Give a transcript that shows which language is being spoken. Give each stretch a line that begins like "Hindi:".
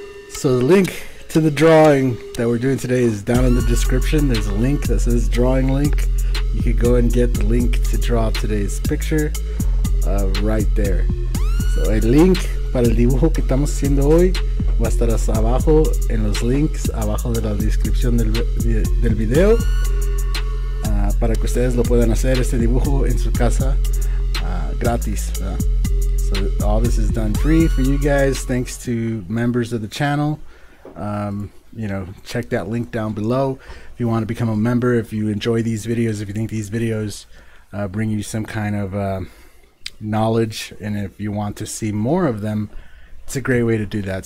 English: So the link to the drawing that we're doing today is down in the description. There's a link that says drawing link. You can go and get the link to draw today's picture right there.
Spanish: So el link para el dibujo que estamos haciendo hoy va a estar abajo en los links abajo de la descripción del video para que ustedes lo puedan hacer este dibujo en su casa gratis.
English: So all this is done free for you guys thanks to members of the channel. You know, check that link down below if you want to become a member, if you enjoy these videos, if you think these videos bring you some kind of knowledge, and if you want to see more of them, it's a great way to do that.